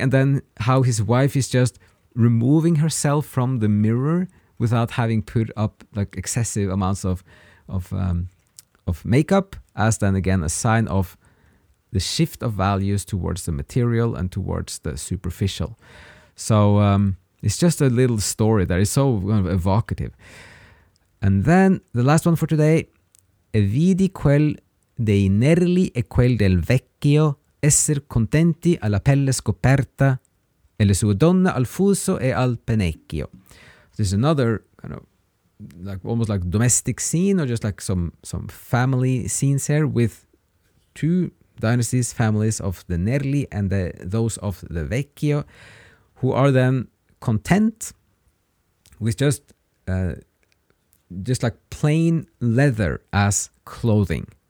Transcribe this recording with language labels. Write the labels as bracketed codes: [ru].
[en] And then how his wife is just removing herself from the mirror without having put up like excessive amounts of makeup, as then again a sign of the shift of values towards the material and towards the superficial. So it's just a little story that is so kind of evocative. And then the last one for today. [it] Vidi quel dei nerli e quel del vecchio esser contenti alla pelle scoperta e le sue donne al fuso e al pennecchio. [en] This is another kind of like almost like domestic scene, or just like some family scenes here with two dynasties, families of the Nerli and those of the Vecchio, who are then content with just like plain leather as clothing.